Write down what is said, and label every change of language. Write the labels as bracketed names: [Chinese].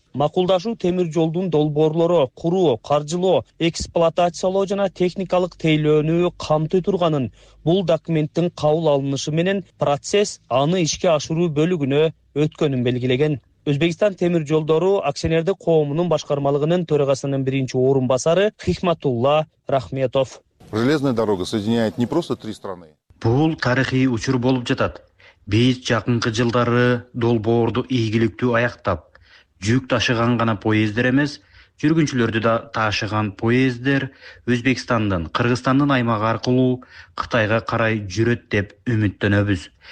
[Kyrgyz] Макулдашуу темир жолдун долбоорлору куруу, каржылоо, эксплуатациялоо жана техникалык тейлөөнү камтый турганын, бул документтин кабыл алынышы менен процесс аны ишке ашыруу бөлүгүнө өткөнүн белгилеген. Өзбекстан темир жолдору акционердик коомунун башкармалыгынын төрагасынын биринчи орун басары Хикматулла Рахметов. [Russian] Железная дорога соединяет не просто три страны. [Kyrgyz] Бул тарыхый учур болуп жатат. Биз жакынкы жылдары долбоорду ийгиликтүү аяктап, жүк ташыган гана поезддер эмес, жүргүнчүлөрдү да ташыган поезддер Өзбекстандан Кыргызстандын аймагы аркылуу Кытайга карай жүрөт деп үмүттөнөбүз.